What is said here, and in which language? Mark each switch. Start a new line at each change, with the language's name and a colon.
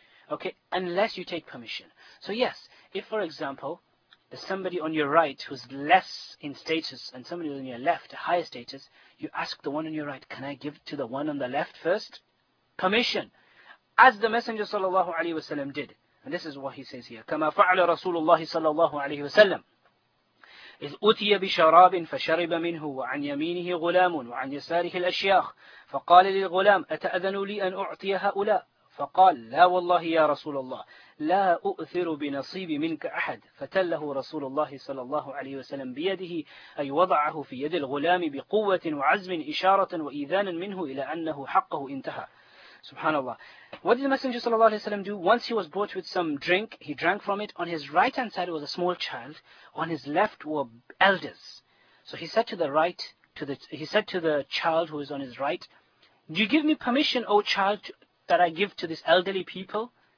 English: Okay, unless you take permission. So yes, if for example, there's somebody on your right who's less in status and somebody on your left, a higher status, you ask the one on your right, can I give to the one on the left first? Permission. As the Messenger sallallahu alayhi wa sallam did. And this is what he says here.
Arabic: كَمَا فَعْلَ رَسُولُ اللَّهِ صَلَى اللَّهُ عَلَيْهِ وَسَلَّمْ إِذْ أُتِيَ بِشَرَابٍ فَشَرِبَ مِنْهُ وَعَنْ يَمِينِهِ غُلَامٌ وَعَنْ يَسَارِهِ الْأَشْيَاخِ فَقَالَ لِلْغُلَامِ أَتَأَذَنُ لِي أَنْ أُعْطِيَ هَؤُلَاء فقال لا والله يا رسول الله لا أؤثر بنصيبي منك أحد فتله رسول الله صلى الله عليه وسلم بيده أي وضعه في يد الغلام بقوة وعزم إشارة وإذانا منه إلى أنه حقه انتهى سبحان الله.
English: What did the Messenger صلى الله عليه وسلم do? Once he was brought with some drink, he drank from it. On his right hand side was a small child. On his left were elders. So he said to the right, he said to the child who is on his right, do you give me permission, O child, that I give to this elderly people?